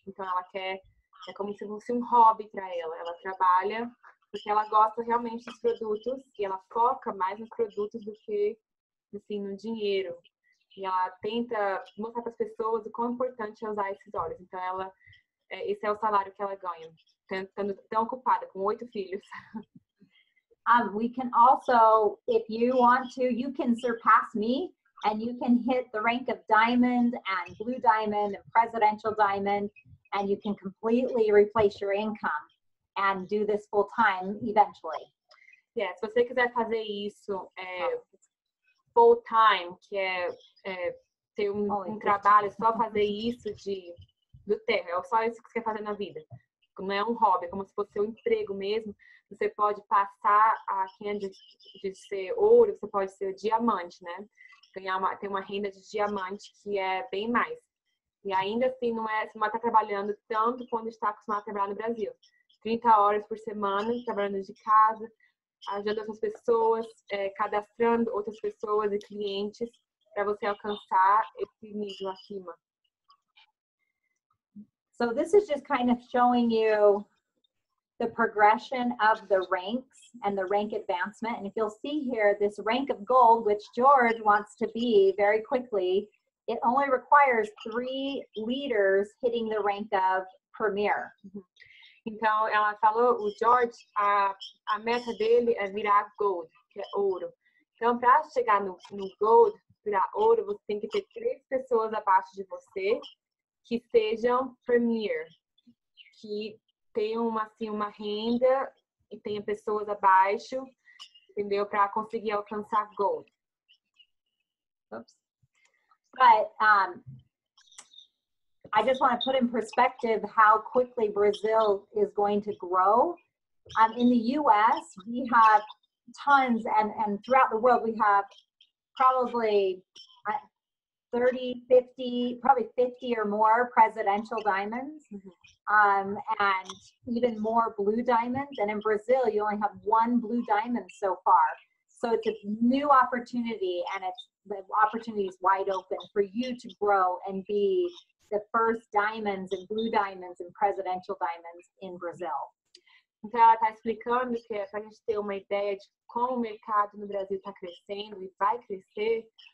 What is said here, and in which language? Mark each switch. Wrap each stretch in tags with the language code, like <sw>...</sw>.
<pt>Então ela quer, é como se fosse um hobby para ela. Ela trabalha porque ela gosta realmente dos produtos e ela foca mais nos produtos do que assim no dinheiro. E ela tenta mostrar para as pessoas o quão importante é usar esses óleos. Então ela, esse é o salário que ela ganha, estando tão ocupada com 8 filhos.</pt> <en>We can also, if you want to, you can surpass me. And you can hit the rank of diamond and blue diamond and presidential diamond, and you can completely replace your income and do this full time eventually.</en> <pt>Yeah, se você quiser fazer isso full time, que ter um trabalho, só fazer isso do terra, é só isso que você quer fazer na vida. Não é hobby, como se fosse emprego mesmo. Você pode passar a renda de ser ouro, você pode ser diamante, né? Tem uma renda de diamante que é bem mais. E ainda assim, você não está trabalhando tanto quando está acostumado a trabalhar no Brasil. 30 horas por semana, trabalhando de casa, ajudando outras pessoas, cadastrando outras pessoas e clientes para você alcançar esse nível acima.</pt> <en>So this is just kind of showing you the progression of the ranks and the rank advancement. And if you'll see here, this rank of gold, which George wants to be very quickly, it only requires 3 leaders hitting the rank of premier.</en> <pt>Então, ela falou, o George, a meta dele é virar gold, que é ouro. Então, para chegar no gold, virar ouro, você tem que ter 3 pessoas abaixo de você que sejam premier, que tem uma renda e tenha pessoas abaixo, entendeu? Para conseguir alcançar gold. Oops.</pt> <en>But I just want to put in perspective how quickly Brazil is going to grow. In the U.S., we have tons, and throughout the world, we have probably 50 or more presidential diamonds, and even more blue diamonds. And in Brazil, you only have one blue diamond so far. So it's a new opportunity, and the opportunity is wide open for you to grow and be the first diamonds and blue diamonds and presidential diamonds in Brazil.</en> <pt>Então ela está explicando que é para a gente ter uma ideia de como o mercado no Brasil está crescendo e vai crescer.</pt>